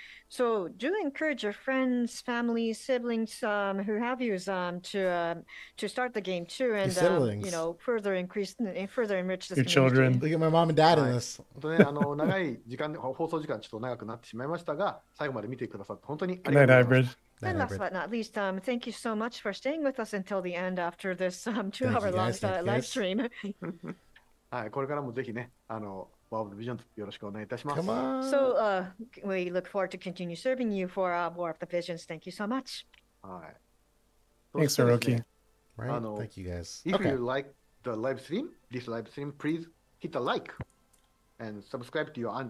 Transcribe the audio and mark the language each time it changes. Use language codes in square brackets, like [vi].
[en] So do encourage your friends, family, siblings, who have you, to start the game too, and you know, further enrich the community. Your children. Look at my mom and dad in this. [ja] 本当ね、長い時間放送時間ちょっと長くなってしまいましたが、最後まで見てくださって本当にありがとうございます。 [en] Night hybrid. And last but not least, thank you so much for staying with us until the end after this two-hour-long live stream. [ja] はい、これからもぜひね、ワールドビジョンズよろしくお願いいたします。 [en] Come on. So, we look forward to continue serving you for our War of the Visions. Thank you so much. [ja] はい。 [en] Thanks, Hiroki. Right. Thank you, guys. If you like the live stream, this live stream, please hit a like and subscribe to our